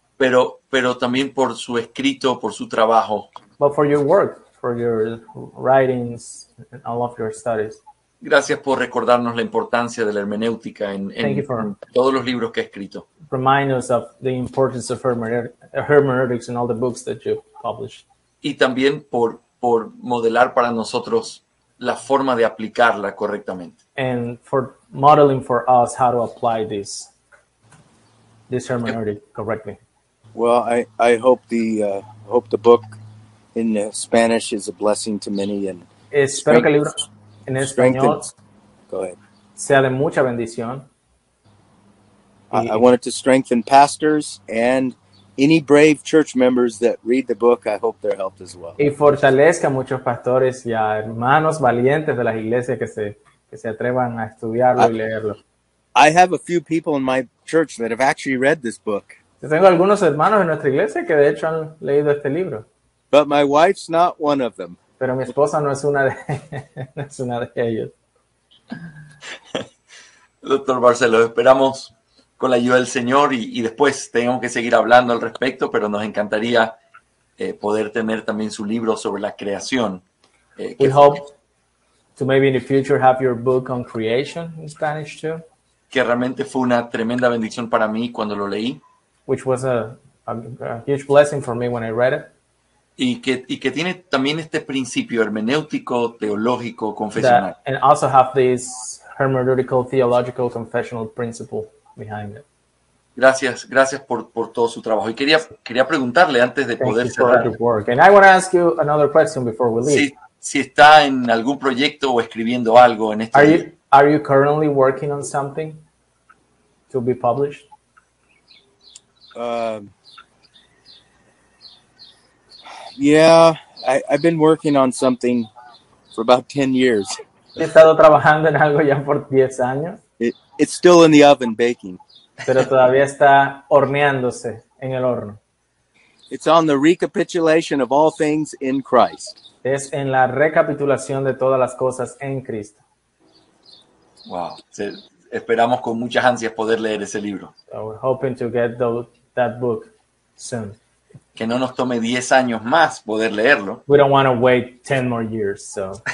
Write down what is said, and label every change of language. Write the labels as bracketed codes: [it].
[es] Pero también por su escrito, por su trabajo. [en] But for your work, for your writings, and all of your studies. [es] Gracias por recordarnos la importancia de la hermenéutica en todos los libros que ha escrito. [en] Remind us of the importance of hermeneutics in all the books that you published. [es] Y también por modelar para nosotros la forma de aplicarla correctamente. [en] And for modeling for us how to apply this hermeneutic correctly. Well, I hope the book in Spanish is a blessing to many, and [es] espero que el libro en español [en] go ahead. [es] Sea de mucha bendición. [en] I wanted to strengthen pastors and any brave church members that read the book. I hope they're helped as well. [es] Y fortalezca muchos pastores y a hermanos valientes de las iglesias que se atrevan a estudiarlo y leerlo. [en] I have a few people in my church that have actually read this book. [es] Yo tengo algunos hermanos en nuestra iglesia que de hecho han leído este libro. [en] But my wife's not one of them. [es] Pero mi esposa no es una de, no es una de ellos. Doctor Barcellos, esperamos con la ayuda del Señor y después tenemos que seguir hablando al respecto, pero nos encantaría poder tener también su libro sobre la creación. [en] We hope to maybe in the future have your book on creation in Spanish too. [es] Que realmente fue una tremenda bendición para mí cuando lo leí. [en] Which was a huge blessing for me when I read it. [es] Y que tiene también este principio hermenéutico, teológico, confesional. [en] That, and also have this hermeneutical, theological, confessional principle behind it. [es] Gracias por todo su trabajo. Y quería preguntarle antes de [en] Thank [es] poder [en] you [es] cerrar. [en] For work. And I want to ask you another question before we leave. [es] Si está en algún proyecto o escribiendo algo en este momento. [en] Are you currently working on something to be published? Yeah, I've been working on something for about 10 years. [es] He estado trabajando en algo ya por 10 años. [en] It's still in the oven baking. [es] Pero todavía está horneándose en el horno. [en] It's on the recapitulation of all things in Christ. [es] Es en la recapitulación de todas las cosas en Cristo. [en] Wow, [es] esperamos con muchas ansias poder leer ese libro. [en] So we're hoping to get that book soon. [es] Que no nos tome 10 años más poder leerlo. [en] We don't want to wait 10 more years, so.